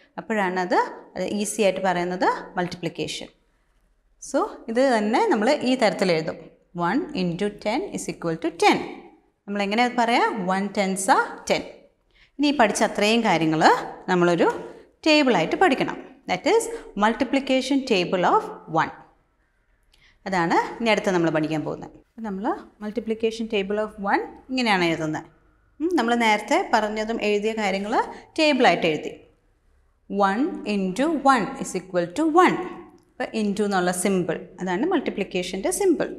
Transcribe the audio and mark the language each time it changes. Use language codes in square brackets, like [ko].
[ml] അപ്പോഴാണ് അത് ഈസി ആയിട്ട് പറയുന്നത് മൾട്ടിപ്ലിക്കേഷൻ. സോ ഇത് തന്നെ നമ്മൾ ഈ തരത്തിൽ എഴുതും. [en] One into ten is equal to ten. [ml] നമ്മളെങ്ങനെ പറയാം? [en] One tens a ten. [ml] ഇനി പഠിച്ച അത്രയും കാര്യങ്ങൾ നമ്മളൊരു ടേബിളായിട്ട് പഠിക്കണം. [en] That is multiplication table of 1. [ml] അതാണ് ഇനി അടുത്ത് നമ്മൾ പഠിക്കാൻ പോകുന്നത്. അപ്പോൾ നമ്മൾ മൾട്ടിപ്ലിക്കേഷൻ ടേബിൾ ഓഫ് 1 ഇങ്ങനെയാണ് എഴുതുന്നത്. നമ്മൾ നേരത്തെ പറഞ്ഞതും എഴുതിയ കാര്യങ്ങൾ ടേബിളായിട്ട് എഴുതി. [en] 1 into one is equal to one. [ml] അപ്പോൾ ഇൻറ്റു എന്നുള്ള സിമ്പിൾ, അതാണ് മൾട്ടിപ്ലിക്കേഷൻ്റെ സിമ്പിൾ.